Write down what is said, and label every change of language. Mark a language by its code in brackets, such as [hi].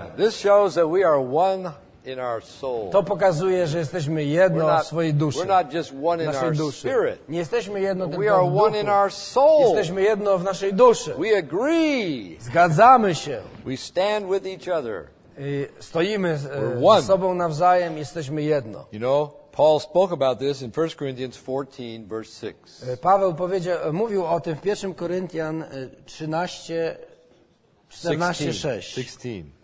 [en] This shows that we are one in our soul. [pl] To pokazuje, że jesteśmy jedno [en] not, [pl] w swojej duszy. [en] We're not just one in our [pl] duszy. [en] Spirit. [pl] Nie jesteśmy jedno [en] we are [pl] w duchu. [en] One in our soul. [pl] Jesteśmy jedno w naszej duszy. [en] We agree. [pl] Zgadzamy się. [en] We stand with each other. [pl] I stoimy ze sobą nawzajem, jesteśmy jedno. [en] You know, Paul spoke about this in 1 Corinthians 14, verse 6. [pl] Paweł powiedział, mówił o tym w 1 Koryntian 14:16.